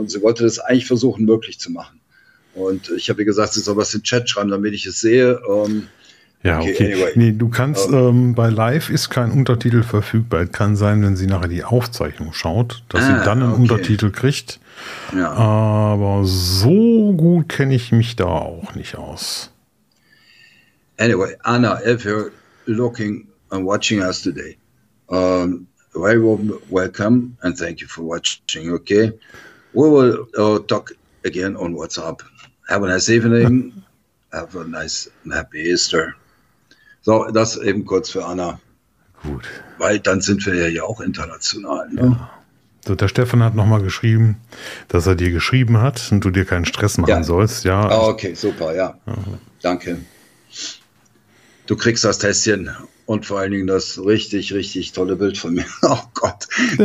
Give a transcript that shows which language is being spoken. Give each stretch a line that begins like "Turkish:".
German: Und sie wollte das eigentlich versuchen, möglich zu machen. Und ich habe ihr gesagt, sie soll was in den Chat schreiben, damit ich es sehe.
English: Anyway.
German: Nee, du kannst, bei live ist kein Untertitel verfügbar. Es kann sein, wenn sie nachher die Aufzeichnung schaut, dass sie dann einen Untertitel kriegt. Ja. Aber so gut kenne ich mich da auch nicht aus.
English: Anyway, Anna, if you're looking and watching us today, very warm welcome and thank you for watching, okay? We will talk again on WhatsApp. Have a nice evening. Have a nice and happy Easter.
German: So, das eben kurz für Anna. Gut. Weil dann sind wir ja auch international. Ne? Ja. So, der Stefan hat nochmal geschrieben, dass er dir geschrieben hat und du dir keinen Stress machen sollst. Ja. Ah, okay, super, ja. Danke. Du kriegst das Tässchen und vor allen Dingen das richtig, richtig tolle Bild von mir. Oh Gott. Ja.